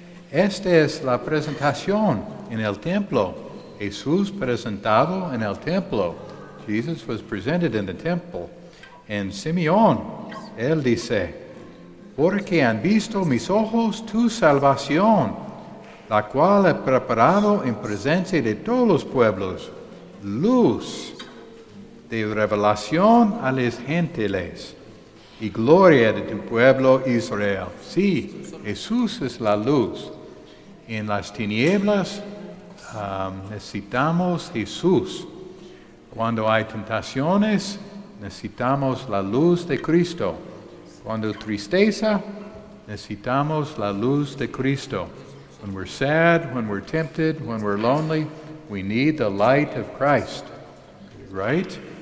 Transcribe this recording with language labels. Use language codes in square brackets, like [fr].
[es] Esta es la presentación en el templo. Jesús presentado en el templo. [en] Jesus was presented in the temple. [es] And Simeón, él dice, porque han visto mis ojos tu salvación, la cual he preparado en presencia de todos los pueblos, luz de revelación a las gentiles y gloria de tu pueblo Israel. Sí, Jesús es la luz. En las tinieblas necesitamos Jesús. Cuando hay tentaciones, necesitamos la luz de Cristo. Cuando hay tristeza, necesitamos la luz de Cristo. [en] When we're sad, when we're tempted, when we're lonely, we need the light of Christ, right?